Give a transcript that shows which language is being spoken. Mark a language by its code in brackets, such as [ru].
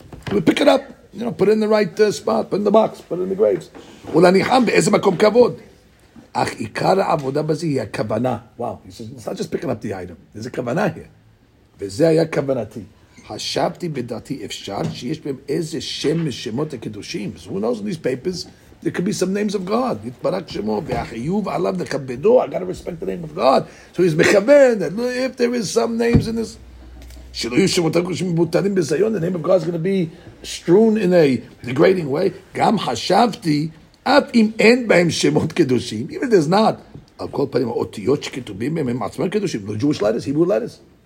[en] He would pick it up, you know, put it in the right spot, put it in the box, put it in the graves. [he] ולניחם באיזה מקום כבוד. אך עיקר העבודה בזה היא הכוונה. [en] Wow, he says, it's not just picking up the item. There's a כוונה here. [he] וזה היה כוונתי. חשבתי בדעתי אפשר שיש בהם איזה שם משמות הקדושים. [en] So who knows in these papers, there could be some names of God. [he] יתברק שמו, והחיוב עליו לכבדו, [en] I gotta respect the name of God. So he's מכוון, if there is some names in this, [he] שלא יהיו שמות הקדושים מבוטלים בזיון, [en] the name of God is going to be strewn in a degrading way. [he] גם חשבתי, אף אם אין בהם שמות קדושים, [en] even if there's not, [he] על כל פנים, האותיות שכתובים בהם הם עצמם קדושים, לא [en] Jewish letters, Hebrew letters.